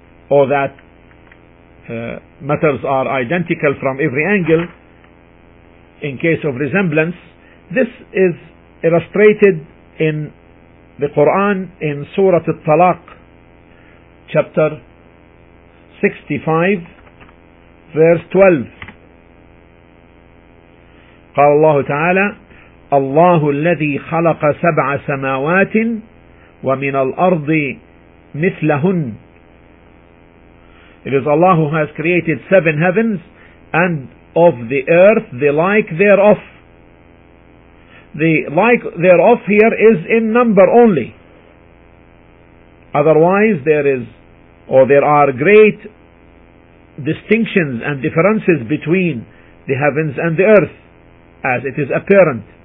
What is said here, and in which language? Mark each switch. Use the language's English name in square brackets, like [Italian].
[English] or that matters are identical from every angle in case of resemblance, this is illustrated in the Quran in Surah At-Talaq, chapter 65, verse 12. [Arabic] قال الله تعالى الله الذي خلق سبع سماوات ومن الأرض مثلهن. [English] It is Allah who has created seven heavens and of the earth the like thereof. The like thereof here is in number only. Otherwise there are great distinctions and differences between the heavens and the earth, as it is apparent.